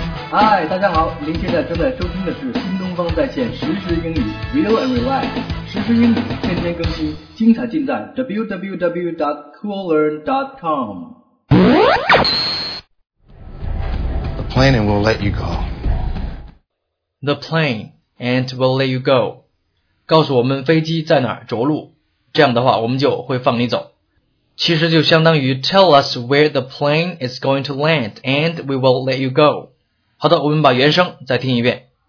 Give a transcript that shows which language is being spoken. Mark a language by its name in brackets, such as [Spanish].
[Chinese] 嗨，大家好，您现在正在收听的是新东方在线实时英语 Real and Relax， 实时英语天天更新，精彩尽在 www.coollearn.com。 [English] The plane and we'll let you go. The plane and we'll let you go. [Chinese] 告诉我们飞机在哪儿着陆，这样的话我们就会放你走。其实就相当于 [English] Tell us where the plane is going to land and we will let you go. [Chinese] 好的，我们把原声再听一遍。